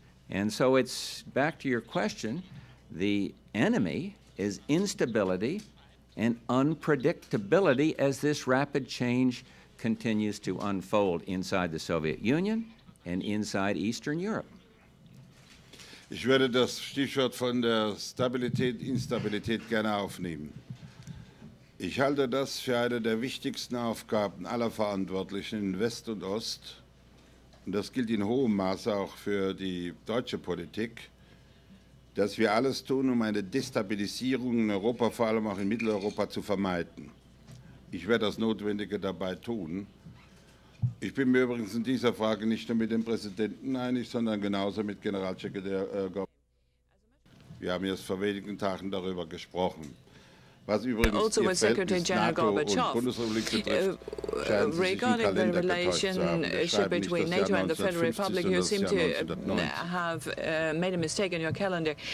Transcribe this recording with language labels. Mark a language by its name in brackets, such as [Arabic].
[English] And so it's back to your question. The enemy is instability and unpredictability as this rapid change continues to unfold inside the Soviet Union and inside Eastern Europe. [German] Ich würde das Stichwort von der Stabilität, Instabilität gerne aufnehmen. Ich halte das für eine der wichtigsten Aufgaben aller Verantwortlichen in West und Ost, und das gilt in hohem Maße auch für die deutsche Politik, dass wir alles tun, um eine Destabilisierung in Europa, vor allem auch in Mitteleuropa, zu vermeiden. Ich werde das Notwendige dabei tun. Ich bin mir übrigens in dieser Frage nicht nur mit dem Präsidenten einig, sondern genauso mit Generalsekretär Gorbatschow. Wir haben jetzt vor wenigen Tagen darüber gesprochen. Was übrigens also [English] with Secretary General Gorbachev, regarding the relationship between NATO and the Federal Republic, you seem to have made a mistake in your calendar.